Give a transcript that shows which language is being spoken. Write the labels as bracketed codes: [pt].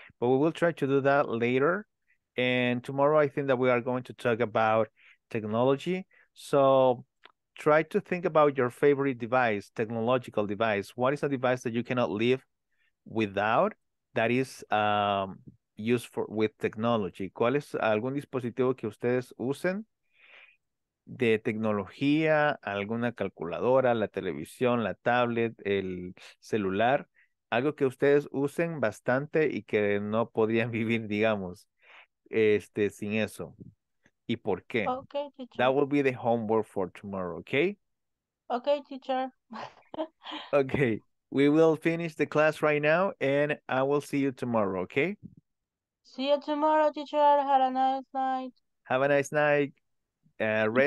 [en] But we will try to do that later. And tomorrow, I think that we are going to talk about technology. So try to think about your favorite device, technological device. What is a device that you cannot live without that is used for with technology? [es] ¿Cuál es algún dispositivo que ustedes usen de tecnología, alguna calculadora, la televisión, la tablet, el celular? Algo que ustedes usen bastante y que no podrían vivir, digamos, sin eso. ¿Y por qué? [en] Okay, teacher. That will be the homework for tomorrow, okay? Okay, teacher. Okay, we will finish the class right now, and I will see you tomorrow, okay? See you tomorrow, teacher. Have a nice night. Have a nice night. Rest,